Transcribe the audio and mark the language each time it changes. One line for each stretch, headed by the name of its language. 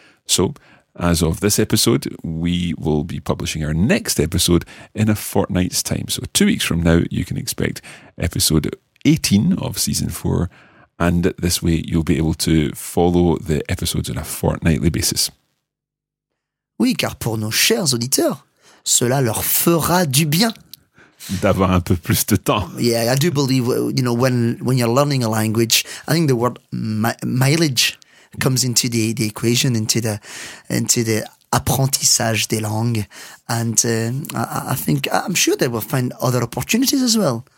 English: So as of this episode, we will be publishing our next episode in a fortnight's time. So 2 weeks from now, you can expect episode 18 of season 4. And this way, you'll be able to follow the episodes on a fortnightly basis.
French: Oui, car pour nos chers auditeurs, cela leur fera du bien. D'avoir un peu plus de temps.
English: Yeah, I do believe, you know, when you're learning a language, I think the word mileage comes into the equation, into the
French: apprentissage des langues,
English: and I'm sure they will find other opportunities as well.